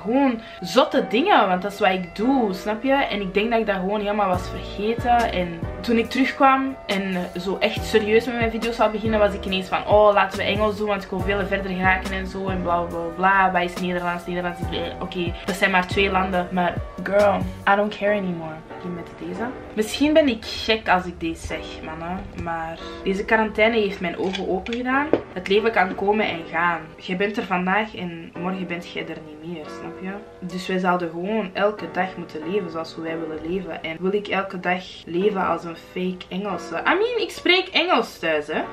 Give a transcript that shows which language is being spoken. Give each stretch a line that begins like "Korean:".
Dutch: Gewoon zotte dingen, want dat is wat ik doe, snap je? En ik denk dat ik dat gewoon helemaal was vergeten. En toen ik terugkwam en zo echt serieus met mijn video's zou beginnen, was ik ineens van, oh, laten we Engels doen, want ik wil veel verder geraken en zo. En bla bla bla. Wat is Nederlands? Nederlands is... Oké, dat zijn maar 2 landen.
English: Maar girl, I don't care anymore.
Dutch: Met deze. Misschien ben ik gek als ik deze zeg, mannen. Maar deze quarantaine heeft mijn ogen open gedaan. Het leven kan komen en gaan. Je bent er vandaag en morgen bent je er niet meer, snap je? Dus wij zouden gewoon elke dag moeten leven zoals wij willen leven. En wil ik elke dag leven als een fake Engelse?
English: I mean,
Dutch: ik spreek Engels thuis, hè.